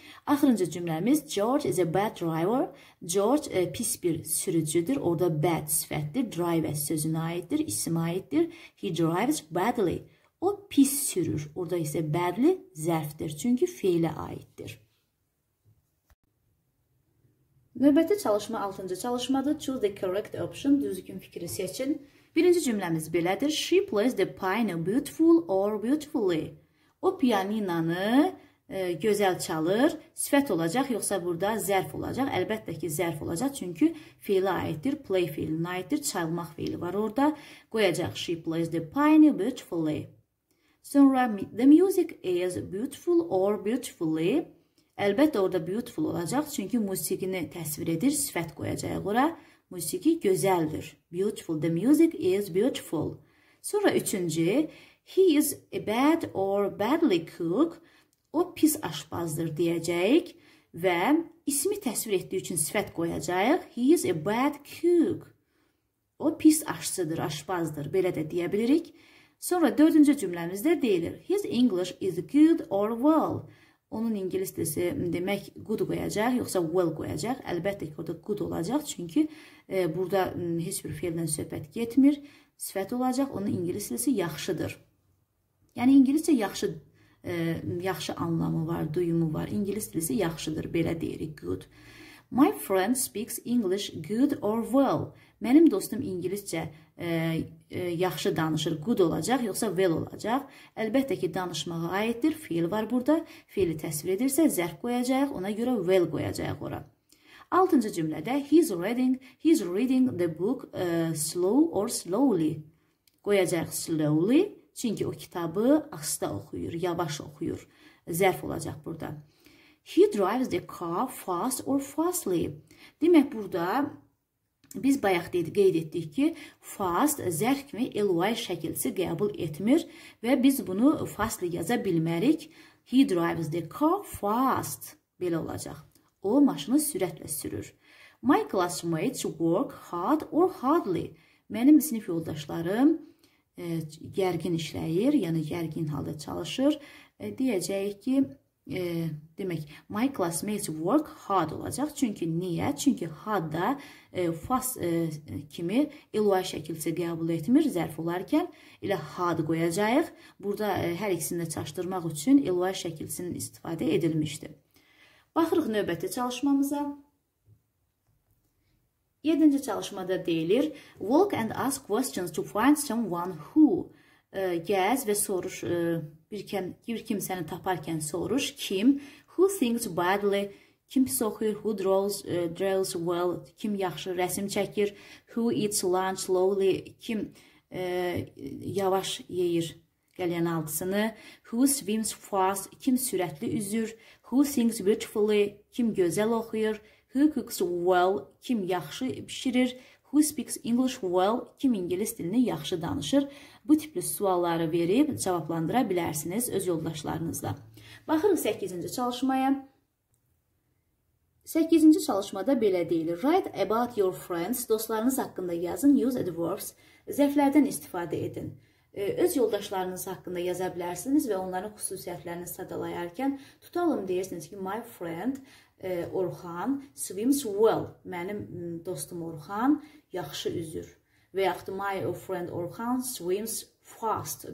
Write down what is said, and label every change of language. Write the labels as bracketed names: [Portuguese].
[Azerbaijani] Axırıncı cümləmiz [English] George is a bad driver. [Azerbaijani] George pis bir sürücüdür, orada bad sifətdir, drive sözünə aiddir, isim aiddir. [English] He drives badly. [Azerbaijani] O pis sürür, orada isə badly zərfdir, çünki fiilə aiddir. Növbəti çalışma 6-cı çalışmadır. [English] Choose the correct option, [Azerbaijani] düzgün fikri seçin. Birinci cümləmiz belədir. [English] She plays the piano beautiful or beautifully. [Azerbaijani] O piyaninanı gözəl çalır. Sifət olacaq, yoxsa burada zərf olacaq. Əlbəttə ki, zərf olacaq. Çünki fiilə aiddir, play fiilinə aiddir. Çalmaq fiili var orada. [English] Qoyacaq, she plays the piano beautifully. Sonra, the music is beautiful or beautifully. [Azerbaijani] Əlbəttə orada beautiful olacaq. Çünki musiqini təsvir edir. Sifət qoyacaq ora. Musiqi gözəldir. Beautiful. [English] The music is beautiful. [Azerbaijani] Sonra üçüncü. [English] He is a bad or badly cook. [Azerbaijani] O pis aşbazdır deyəcəyik. Və ismi təsvir etdiyi üçün sifət qoyacaq. [English] He is a bad cook. [Azerbaijani] O pis aşçıdır, aşbazdır. Belə də deyə bilirik. Sonra dördüncü cümləmizdə deyilir. [English] His English is good or well. [Azerbaijani] Onun ingilis dilisi demək good qoyacaq, yoxsa well qoyacaq. Əlbəttə ki, orada good olacaq. Çünki burada heç bir fiildən söhbət getmir. Sifət olacaq. Onun ingilis dilisi yaxşıdır. Yəni, ingiliscə yaxşı, yaxşı anlamı var, duyumu var. İngilis dilisi yaxşıdır. Belə deyirik, good. [English] My friend speaks English good or well. [Azerbaijani] Mənim dostum ingiliscə yaxşı danışır, good olacaq, yoxsa well olacaq. Əlbəttə ki, danışmağa aiddir, fiil var burada. Fiili təsvir edirsə, zərf qoyacaq, ona görə well qoyacaq ora. Altıncı cümlədə [English] he's reading the book slow or slowly. [Azerbaijani] Qoyacaq slowly, çünki o kitabı asta oxuyur, yavaş oxuyur. Zərf olacaq burada. [English] He drives the car fast or fastly. [Azerbaijani] Demək burada biz bayaq qeyd etdik ki, fast zərf kimi ly şəkilsi qəbul etmir və biz bunu fastly yaza bilmərik. [English] He drives the car fast. [Azerbaijani] Belə olacaq. O maşını sürətlə sürür. [English] My classmates work hard or hardly. [Azerbaijani] Mənim sinif yoldaşlarım gərgin işləyir, yəni gərgin halda çalışır. Deyəcəyik ki, demək, [English] my classmates work hard [Azerbaijani] olacaq. Çünki niyə? Çünki hard da fast kimi ly şəkilsi qəbul etmir zərf olarkən. İlə hard qoyacağıq. Burada hər ikisini də çaşdırmaq üçün ly şəkilsinin istifadə edilmişdir. Baxırıq növbəti çalışmamıza. 7-ci çalışmada deyilir. [English] Walk and ask questions to find someone who. [Azerbaijani] Gəz və soruş, bir kimsəni taparkən soruş, kim, [English] who thinks badly, [Azerbaijani] kim pis oxuyur, [English] who draws well, [Azerbaijani] kim yaxşı rəsim çəkir, [English] who eats lunch slowly, [Azerbaijani] kim yavaş yeyir qəlyan altısını, [English] who swims fast, [Azerbaijani] kim sürətli üzür, [English] who sings beautifully, [Azerbaijani] kim gözəl oxuyur, [English] who cooks well, [Azerbaijani] kim yaxşı pişirir, [English] who speaks English well, [Azerbaijani] kim ingilis dilini yaxşı danışır. Bu tipli sualları verib cavablandıra bilərsiniz öz yoldaşlarınızla. Baxırıq 8-ci çalışmaya. 8-ci çalışmada belə deyilir. [English] Write about your friends. [Azerbaijani] Dostlarınız haqqında yazın. [English] Use adverbs. [Azerbaijani] Zərflərdən istifadə edin. Öz yoldaşlarınız haqqında yaza bilərsiniz və onların xüsusiyyətlərini sadalayarkən tutalım deyirsiniz ki, [English] my friend Orhan swims well. [Azerbaijani] Mənim dostum Orhan yaxşı üzür. Və yaxud [English] my friend Orhan swims fast.